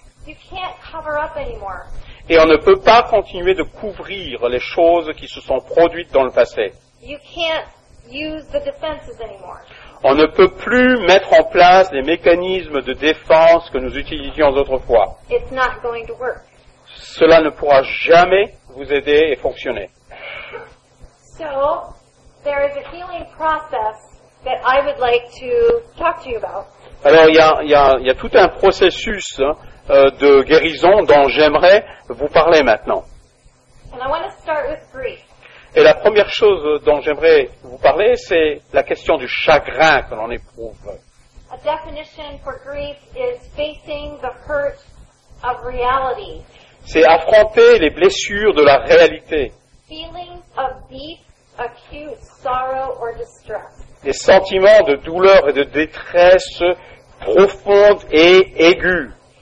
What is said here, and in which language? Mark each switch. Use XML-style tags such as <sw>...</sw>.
<en>You can't cover up anymore.</en> <fr>Et on ne peut pas continuer de couvrir les choses qui se sont produites dans le passé.</fr> <en>You can't use the defenses anymore.</en> <fr>On ne peut plus mettre en place les mécanismes de défense que nous utilisions autrefois.</fr> <en>It's not going to work.</en> <fr>Cela ne pourra jamais vous aider et fonctionner.</fr> <en>So, there is a healing process that I would like to talk to you about.</en> <fr>Alors, il y a tout un processus de guérison dont j'aimerais vous parler maintenant.</fr> <en>And I want to start with grief.</en> <fr>Et la première chose dont j'aimerais vous parler, c'est la question du chagrin que l'on éprouve.</fr> <en>A definition for grief is facing the hurt of reality.</en> <fr>C'est affronter les blessures de la réalité.</fr> <en>Feelings of deep, acute sorrow or distress.</en> <fr>Des sentiments de douleur et de détresse profondes et aiguës.</fr>